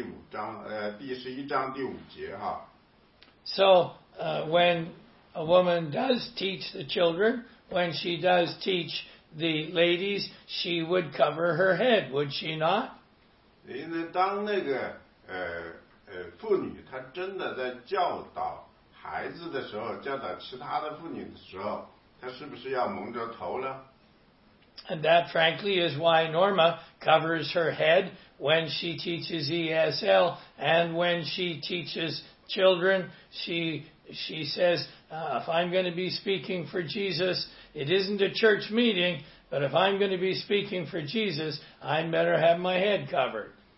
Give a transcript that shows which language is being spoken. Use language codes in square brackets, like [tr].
[zh] 他在读第十一章第五节哈。 [en] So when a woman does teach the children, when she does teach the ladies, she would cover her head, would she not? [zh] 因为当那个妇女她真的在教导孩子的时候，教导其他的妇女的时候，她是不是要蒙着头呢？ [en] And that, frankly, is why Norma covers her head when she teaches ESL and when she teaches children. She says, if I'm going to be speaking for Jesus, it isn't a church meeting, but if I'm going to be speaking for Jesus, I'd better have my head covered.